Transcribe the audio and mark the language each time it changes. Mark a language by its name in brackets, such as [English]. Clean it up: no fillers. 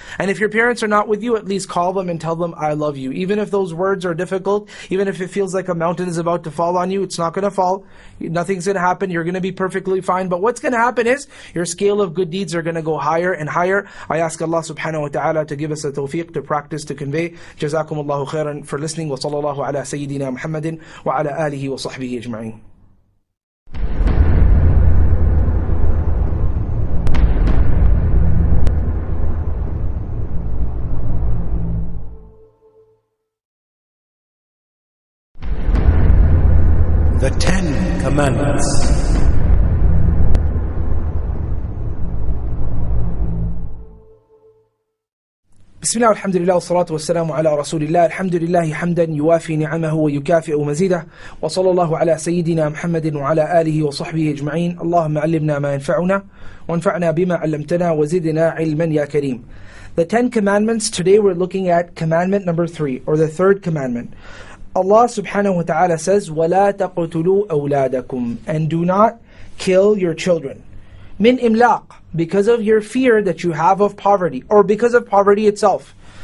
[English] And if your parents are not with you, at least call them and tell them, I love you. Even if those words are difficult, even if it feels like a mountain is about to fall on you, it's not going to fall. Nothing's going to happen. You're going to be perfectly fine. But what's going to happen is your scale of good deeds are going to go higher and higher. I ask Allah subhanahu wa ta'ala to give us a tawfiq to practice, to convey. [Arabic] Jazakumullahu khairan [English] for listening. [Arabic] Wa sallallahu وعلى سيدنا محمد وعلى آله وصحبه أجمعين. [English] The Ten Commandments. [Arabic] بسم الله والحمد لله والصلاة والسلام على رسول الله الحمد لله حمدا يوافي نعمه ويكافئ مزيده وصلى الله على سيدنا محمد وعلى آله وصحبه أجمعين اللهم علمنا ما ينفعنا وانفعنا بما علمتنا وزدنا علما يا كريم. [English] The Ten Commandments, today we're looking at commandment number three, or the third commandment. Allah subhanahu wa ta'ala says, [Arabic] وَلَا تَقْتُلُوا أَوْلَادَكُمْ, [English] and do not kill your children. [Arabic] مِنْ إِمْلَاقٍ, [English] because of your fear that you have of poverty, or because of poverty itself.